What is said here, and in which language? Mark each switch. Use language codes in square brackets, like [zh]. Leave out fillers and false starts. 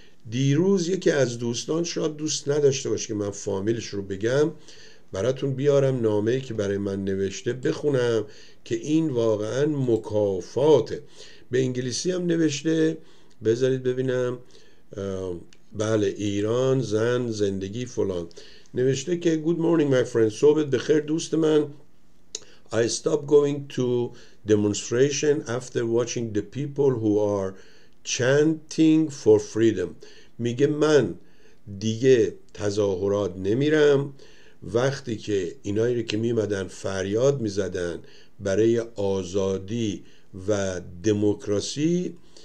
[fa] دیروز یکی از دوستان، شاید دوست نداشته باشه که من فامیلش رو بگم، براتون بیارم نامه‌ای که برای من نوشته بخونم که این واقعا مکافاته. به انگلیسی هم نوشته، بذارید ببینم، بله ایران زن زندگی فلان نوشته که [en] Good morning my friend، [fa] صبحت بخیر دوست من. [en] I stopped going to demonstration after watching the people who are chanting for freedom. [fa] میگه من دیگه تظاهرات نمیرم، وقتی که اینایی که میمدن فریاد میزدن برای آزادی و دموکراسی،